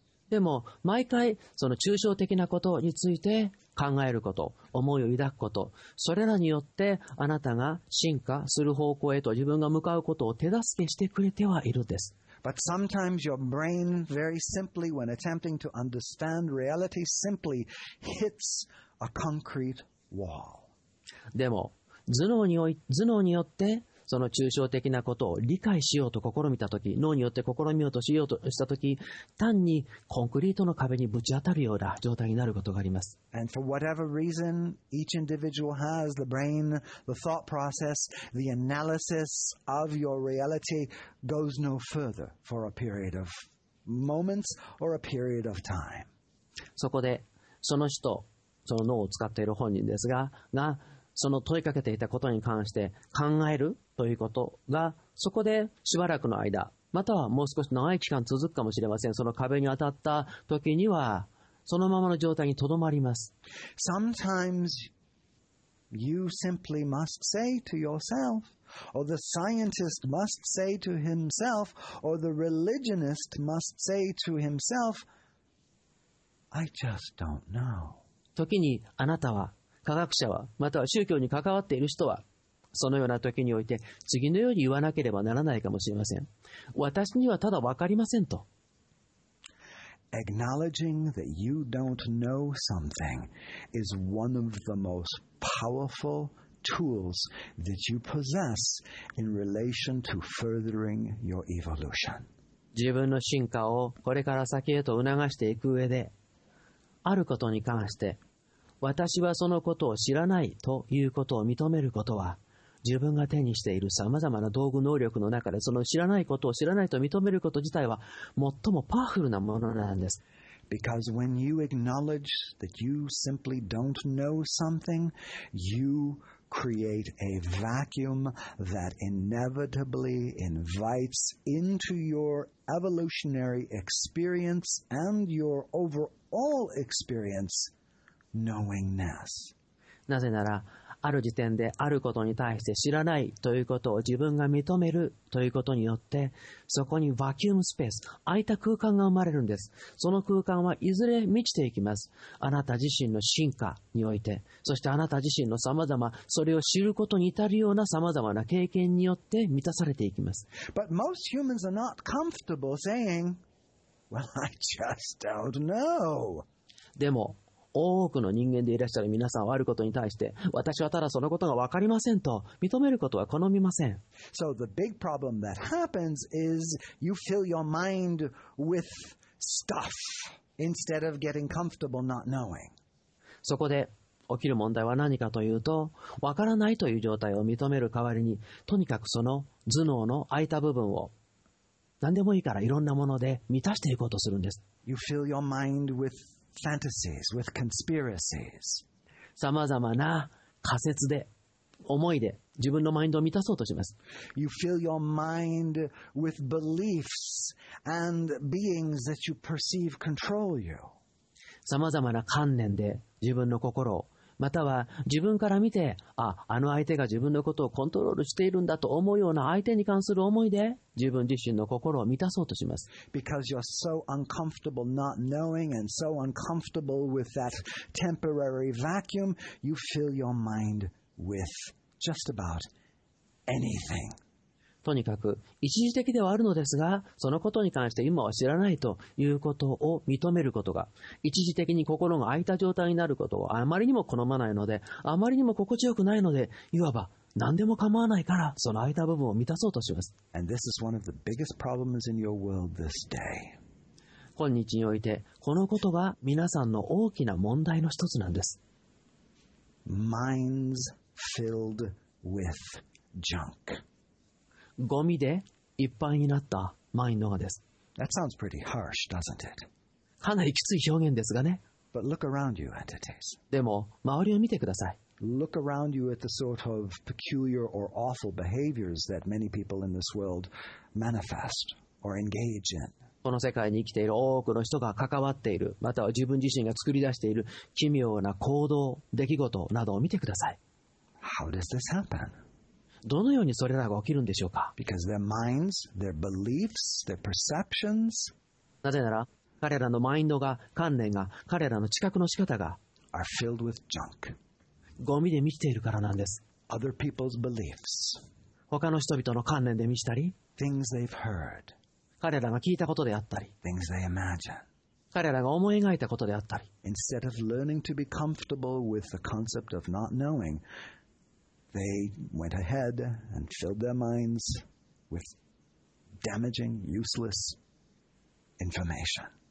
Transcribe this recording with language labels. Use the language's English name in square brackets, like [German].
[Japanese] でも毎回その抽象的なことについて考えること、思いを抱くこと、それらによってあなたが進化する方向へと自分が向かうことを手助けしてくれてはいるんです。 [English] But sometimes your brain, very simply, when attempting to understand reality, simply hits a concrete wall. [Japanese] でも、頭脳によって、その抽象的なことを理解しようと試みたとき、脳によって試みようとしようとしたとき、単にコンクリートの壁にぶち当たるような状態になることがあります。 [English] And for whatever reason each individual has, the brain, the thought process, the analysis of your reality goes no further for a period of moments or a period of time. [Japanese] そこで、その人、その脳を使っている本人ですが、がその問いかけていたことに関して考えるということが、そこでしばらくの間、またはもう少し長い期間続くかもしれません。その壁に当たった時には、そのままの状態にとどまります。 [English] Sometimes you simply must say to yourself, or the scientist must say to himself, or the religionist must say to himself, I just don't know. [Japanese] 時にあなたは、科学者は、または宗教に関わっている人は、そのような時において、次のように言わなければならないかもしれません。私にはただ分かりませんと。 [English] Acknowledging that you don't know something is one of the most powerful tools that you possess in relation to furthering your evolution. [Japanese] 自分の進化をこれから先へと促していく上で、あることに関して、私はそのことを知らないということを認めることは、自分が手にしているさまざまな道具能力の中で、その知らないことを知らないと認めること自体は、最もパワフルなものなんです。 [English] Because when you acknowledge that you simply don't know something, you create a vacuum that inevitably invites into your evolutionary experience and your overall experience. Knowingness. [Japanese] なぜなら、ある時点であることに対して知らないということを自分が認めるということによって、そこにバキュームスペース、空いた空間が生まれるんです。その空間はいずれ満ちていきます。あなた自身の進化において、そしてあなた自身のさまざま、それを知ることに至るようなさまざまな経験によって満たされていきます。 [English] But most humans are not comfortable saying, well, I just don't know. [Japanese] でも、多くの人間でいらっしゃる皆さんはあることに対して、私はただそのことが分かりませんと認めることは好みません。 [English] So the big problem that happens is you fill your mind with stuff instead of getting comfortable not knowing. [Japanese] そこで起きる問題は何かというと、分からないという状態を認める代わりに、とにかくその頭脳の空いた部分を何でもいいからいろんなもので満たしていこうとするんです。 [English] You fill your mind withFantasies with conspiracies. [Japanese] さまざまな仮説で、思いで、自分のマインドを満たそうとします。 [English] You fill your mind with beliefs and beings that you perceive control you. [Japanese] さまざまな観念で、自分の心を、または自分から見て、あの相手が自分のことをコントロールしているんだと思うような相手に関する思いで、自分自身の心を満たそうとします。 [English] Because you're so uncomfortable not knowing and so uncomfortable with that temporary vacuum, you fill your mind with just about anything. [Japanese] とにかく、一時的ではあるのですが、そのことに関して今は知らないということを認めることが、一時的に心が空いた状態になることをあまりにも好まないので、あまりにも心地よくないので、いわば、何でも構わないから、その空いた部分を満たそうとします。 [English] And this is one of the biggest problems in your world this day. [Japanese] 今日において、このことが皆さんの大きな問題の一つなんです。 [English] Minds filled with junk. [Japanese] ゴミでいっぱいになったマインドがです。 [English] That sounds pretty harsh, doesn't it? [Japanese] かなりきつい表現ですがね。 [English] But look around you, entities. [Japanese] でも、周りを見てください。 [English] Look around you at the sort of peculiar or awful behaviors that many people in this world manifest or engage in. [Japanese] この世界に生きている多くの人が関わっている、または自分自身が作り出している奇妙な行動、出来事などを見てください。 [English] How does this happen? [Japanese] どのようにそれらが起きるんでしょうか? [English] Because their minds, their beliefs, their perceptions, [Japanese] なぜなら、彼らのマインドが、観念が、彼らの知覚の仕方が、 [English] are filled with junk. [Japanese] ゴミで満ちているからなんです。 [English] Other people's beliefs. [Japanese] 他の人々の観念で満ちたり、 [English] things they've heard. [Japanese] 彼らが聞いたことであったり、 [English] things they imagine. [Japanese] 彼らが思い描いたことであったり、 [English] instead of learning to be comfortable with the concept of not knowing, they went ahead and filled their minds with damaging, useless information.